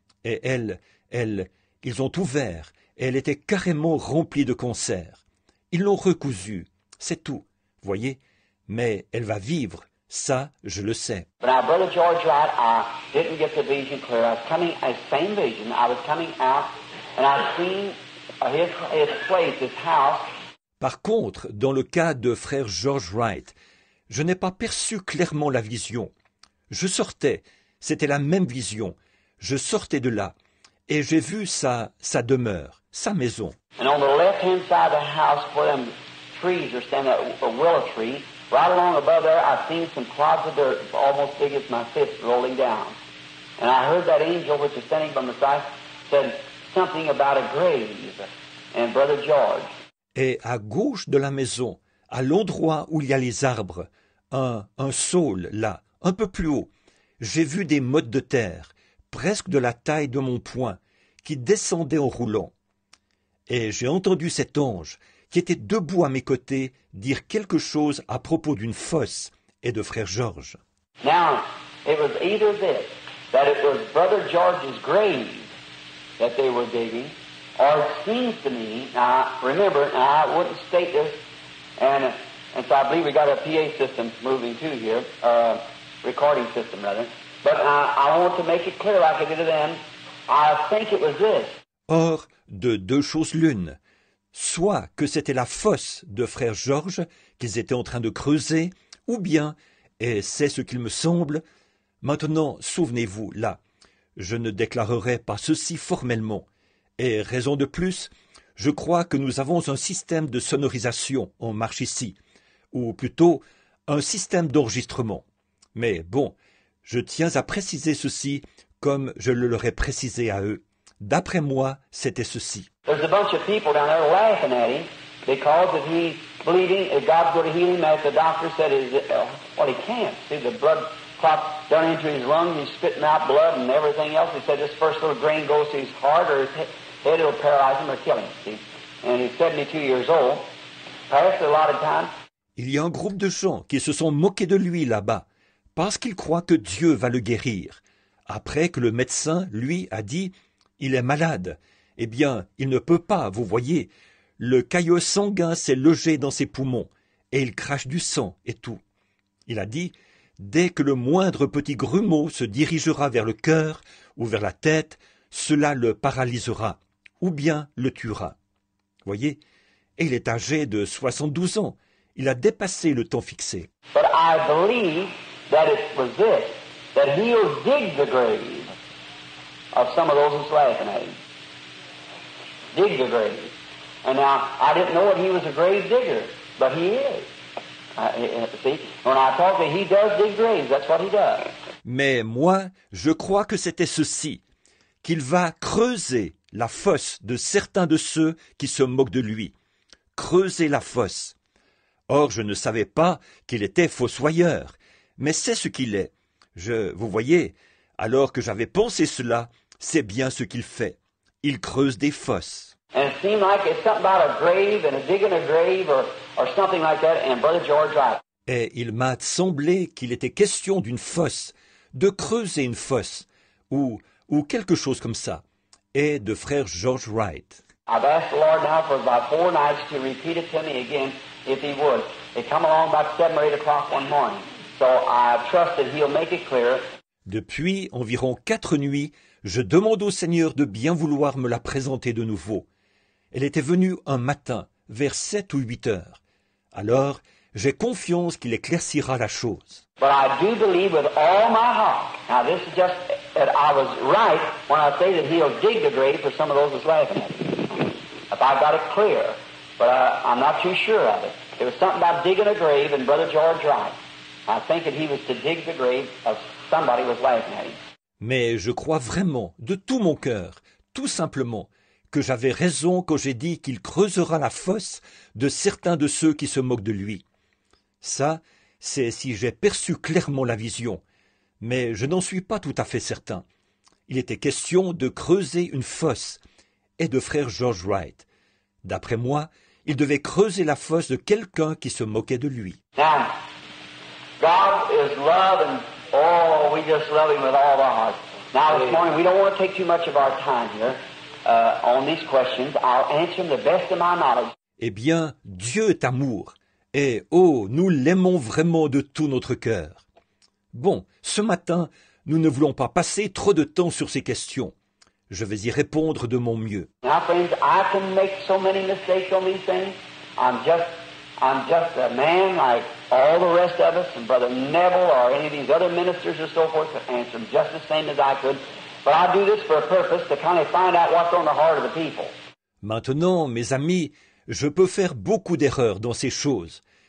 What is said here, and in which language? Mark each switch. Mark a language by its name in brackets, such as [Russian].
[French] Et ils ont ouvert, et elle était carrément remplie de cancer. Ils l'ont recousue, c'est tout, voyez. Mais elle va vivre, ça, je le sais. [English] But now, Brother George Wright, I didn't get the vision clear. I was coming, the same vision, I was coming out, and I seen his place, his house. [French] Par contre, dans le cas de frère George Wright, je n'ai pas perçu clairement la vision. Je sortais, c'était la même vision. Je sortais de là, et j'ai vu sa demeure, sa maison. [English] And on the left-hand side of the house, where them trees are standing, a willow tree, right along above there, I seen some clods of dirt almost big as my fist rolling down. And I heard that angel which is standing by my side said something about a grave and Brother George. [French] Et à gauche de la maison, à l'endroit où il y a les arbres, un saule là, un peu plus haut, j'ai vu des mottes de terre, presque de la taille de mon poing, qui descendaient en roulant. Et j'ai entendu cet ange, qui était debout à mes côtés, dire quelque chose à propos d'une fosse et de frère Georges. [English] Now, it was either this, that it was Brother George's grave that they were digging, or it seems to me, now remember, now I wouldn't state this, and so I believe we got a PA system moving too here, recording system rather, but I want to make it clear like I did to them, I think it was this. [French] Or, de deux choses l'une, soit que c'était la fosse de frère Georges qu'ils étaient en train de creuser, ou bien, et c'est ce qu'il me semble, maintenant, souvenez-vous, là, je ne déclarerai pas ceci formellement. Et raison de plus, je crois que nous avons un système de sonorisation en marche ici, ou plutôt un système d'enregistrement. Mais bon, je tiens à préciser ceci comme je le leur ai précisé à eux. D'après moi, c'était ceci. [English] There's a bunch of people down there laughing at him because of he believing that God's going to heal him as the doctor said is well he can't. See the blood clot down into his lungs, he's spitting out blood and everything else. He said this first little grain goes to his heart or his head it'll paralyze him or kill him, see. And he's 72 years old. Passed a lot of time. [French] Il y a un groupe de gens qui se sont moqués de lui là-bas, parce qu'ils croient que Dieu va le guérir. Après que le médecin, lui, a dit il est malade. Eh bien, il ne peut pas, vous voyez. Le caillot sanguin s'est logé dans ses poumons, et il crache du sang et tout. Il a dit, dès que le moindre petit grumeau se dirigera vers le cœur ou vers la tête, cela le paralysera, ou bien le tuera. Voyez, et il est âgé de 72 ans. Il a dépassé le temps fixé. [English] But I believe that it was this, that he'll dig the grave. Of some of those who's laughing at him. Dig the grave. And now, I didn't know that he was a grave digger, but he is. When I talk to him, he does dig graves, that's what he does. [French] Mais moi, je crois que c'était ceci, qu'il va creuser la fosse de certains de ceux qui se moquent de lui. Creuser la fosse. Or, je ne savais pas qu'il était fossoyeur, mais c'est ce qu'il est. Vous voyez, alors que j'avais pensé cela, c'est bien ce qu'il fait. Il creuse des fosses. [English] And it seemed like it's something about a grave and a digging a grave or something like that. And Brother George, right. [French] Et il m'a semblé qu'il était question d'une fosse, de creuser une fosse, ou quelque chose comme ça. Et de frère George Wright. [English] I've asked the Lord now for about four nights to repeat it to me again, if he would. It come along about 7 or 8 o'clock one morning. So I trust that he'll make it clear. [French] Depuis environ 4 nuits, je demande au Seigneur de bien vouloir me la présenter de nouveau. Elle était venue un matin, vers 7 ou 8 heures. Alors, j'ai confiance qu'il éclaircira la chose. [English] But I do believe with all my heart, now this is just that I was right when I say that he'll dig the grave for some of those that's laughing at me. If I've got it clear, but I'm not too sure of it. It was something about digging a grave and Brother George Wright. I think that he was to dig the grave of somebody was laughing at him. [French] Mais je crois vraiment, de tout mon cœur, tout simplement, que j'avais raison quand j'ai dit qu'il creusera la fosse de certains de ceux qui se moquent de lui. Ça, c'est si j'ai perçu clairement la vision, mais je n'en suis pas tout à fait certain. Il était question de creuser une fosse, et de frère George Wright. D'après moi, il devait creuser la fosse de quelqu'un qui se moquait de lui. [English] Now, God is love and... Oh, we just love him with all our hearts. Now, this morning, we don't want to take too much of our time here on these questions. I'll answer them the best of my knowledge. [French] Eh bien, Dieu est amour. Et, oh, nous l'aimons vraiment de tout notre cœur. Bon, ce matin, nous ne voulons pas passer trop de temps sur ces questions. Je vais y répondre de mon mieux. [English] Now, friends, I can make so many mistakes on these things. I'm just a man like all the rest of us, and Brother Neville or any of these other ministers or so forth could answer them just the same as I could. But I do this for a purpose, to kind of find out what's on the heart of the people. [French] Maintenant, mes amis, je peux faire beaucoup d'erreurs dans ces choses.